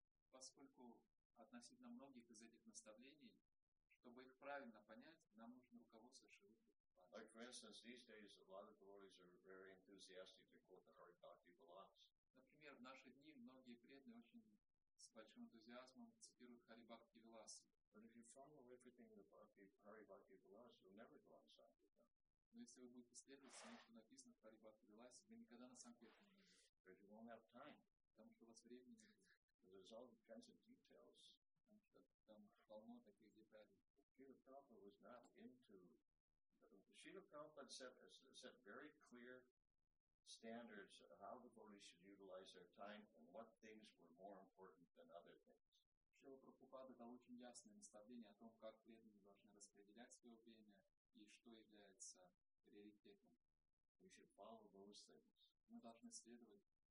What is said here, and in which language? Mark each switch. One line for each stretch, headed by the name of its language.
Russian: Поскольку относительно многих из этих наставлений, чтобы их правильно понять, нам нужно руководство Шрилы Прабхупады.
English: Like for instance, these days a lot of devotees are very enthusiastic to quote the Hari Bhakti Balas.
Russian: Например, в наши дни многие преданные очень с большим энтузиазмом цитируют Хари Бхакти Виласа.
English: But if you follow everything the Hari Bhakti Vilas, you'll never go on Sankirtan.
Russian: Но если вы будете следовать всему, что написано в Хари Бхакти Виласе, вы никогда на Санкирте не будете.
English: Because you won't have time.
Russian: Потому что у вас времени нет.
English: Because there's all kinds of details.
Russian: Потому что там полно таких деталей.
English: Srila Prabhupada was not into... Srila Prabhupada set very clear standards of how devotees should utilize their time and what some things were more important than other things.
Russian: Шрила Прабхупада дал очень ясное наставление о том, как преданные должны распределять свое время и что является приоритетом.
English: We should follow those things.
Russian: Мы должны следовать этим